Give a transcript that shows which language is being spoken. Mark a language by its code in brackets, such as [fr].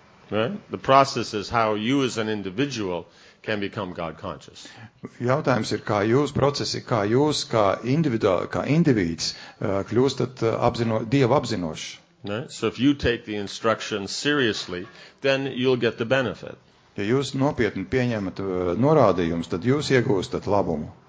[en] Right? The process is how you as an individual can become God conscious. [lv] Jautājums ir, kā jūs procesi, kā jūs, kā individuāli, kā individs, kļūstat Dievu apzinoši. [en] Right? So if you take the instructions seriously, then you'll get the benefit. [lv] Ja jūs nopietni pieņemat norādījumus, tad jūs iegūstat labumu.